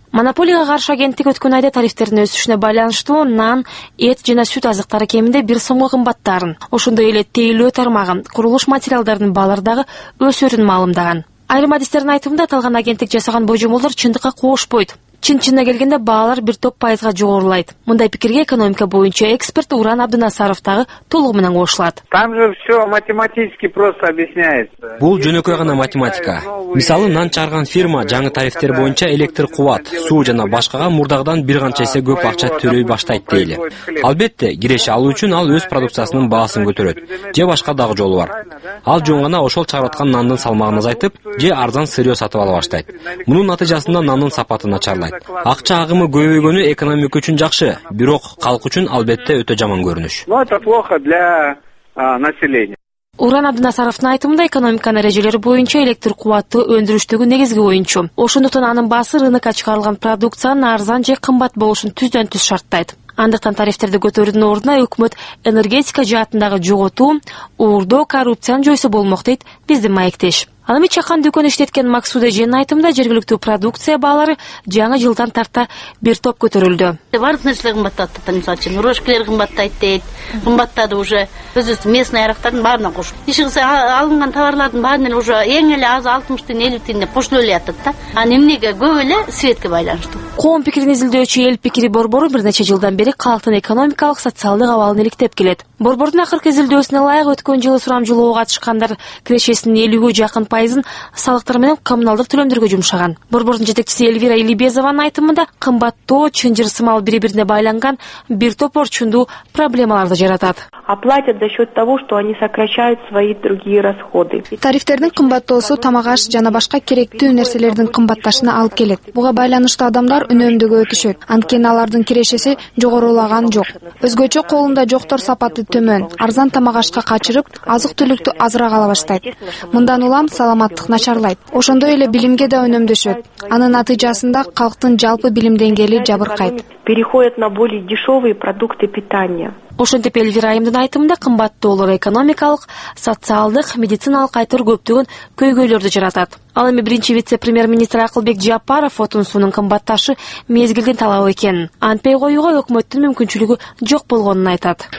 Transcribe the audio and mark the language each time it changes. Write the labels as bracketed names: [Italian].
[Kyrgyz] Монополияга каршы агенттик өткөн айда тарифтердин өсүшүнө байланыштуу нан, эт жана сүт азыктары кеминде 1 сомго кымбаттарын, ошондой эле тейлөө тармагы, курулуш материалдарынын баалары дагы өсөрүн маалымдаган. Айрым адистердин айтымында аталган агенттик жасаган божомолдор чындыкка коошпойт. Чын-чынына келгенде баалар 1.9% жогорулайт. Мындай пикирге экономика боюнча эксперт Уран Абдынасаров дагы толугу менен кошулат. [Russian] Там же все математически просто объясняется. [Kyrgyz] Бул жөнөкөй гана математика. Мисалы, нан чыгарган фирма жаңы тарифтер боюнча электр кубат, суу жана башкага мурдагыдан бир канча эсе көп акча төлөй баштайт дейли. Албетте, киреше алуу үчүн ал өз продукциясынын баасын көтөрөт. Же башка дагы жолу бар. Ал жөн гана ошол чыгарып аткан нандын салмагын азайтып, же арзан сырьё сатып ала баштайт. Мунун натыйжасында нандын сапаты начарлайт. жасайт. Акча агымы көбөйгөнү экономика үчүн жакшы, бирок калк үчүн албетте өтө жаман көрүнүш. [Russian] Но это плохо для населения. [Kyrgyz] Уран Абдынасаровдун айтымында экономиканын эрежелери боюнча электр кубаты өндүрүштөгү негизги оюнчу. Ошондуктан анын баасы рынокко чыгарылган продукциянын арзан же кымбат болушун түздөн түз шарттайт. Андыктан тарифтерди көтөрүүдүн ордуна өкмөт энергетика жаатындагы жоготуу, уурдоо, коррупцияны жойсо болмок дейт биздин маектеш. Ал эми чакан дүкөн иштеткен Максуда Жен айтымында жергиликтүү продукция баалары жаңы жылдан тарта бир топ көтөрүлдү. Баардык нерселер кымбаттады, мисалы үчүн рожкелер кымбаттайт дейт, кымбаттады уже өзүбүз местный арактардын баарына кошуп. Иши кылса алынган товарлардын баарын эле уже эң эле аз 60-тын 50-тын кошулуп эле атат да. Анан эмнеге көп эле светке байланыштуу. Коом пикирин изилдөөчү эл пикири борбору бир нече жылдан бери калктын экономикалык, социалдык абалын иликтеп келет. Борбордун акыркы изилдөөсүнө ылайык өткөн жылы сурамжылоого катышкандар кирешесинин 50%га жакын пайызын салыктар менен коммуналдык төлөмдөргө жумшаган. Борбордун жетекчиси Эльвира Илибезованын айтымында кымбаттоо, чынжыр сымал бири бирине байланган бир топ орчундуу проблемаларды жаратат. [Russian] Оплатят за счет того, что они сокращают свои другие расходы. [Kyrgyz] Тарифтердин кымбаттоосу тамак аш жана башка керектүү нерселердин кымбатташына алып келет. Буга байланыштуу адамдар үнөмдүгө өтүшөт. Анткени алардын кирешеси жогорулаган жок. Өзгөчө колунда жоктор сапаты төмөн. Арзан тамак ашка качырып, азык түлүктү азыраак ала баштайт. Мындан улам саламаттык начарлайт. Ошондой эле билимге да үнөмдөшөт. Анын натыйжасында калктын жалпы билим деңгээли жабыркайт. [Russian] Переходят на более дешевые продукты питания. [Kyrgyz] Ошентип Эльвира айымдын айтымында кымбаттоолор экономикалык, социалдык, медициналык айтор көптөгөн көйгөйлөрдү жаратат. Ал эми биринчи вице-премьер-министр Акылбек Жапаров отун суунун кымбатташы мезгилдин талабы экенин, антпей коюуга өкмөттүн мүмкүнчүлүгү жок болгонун айтат.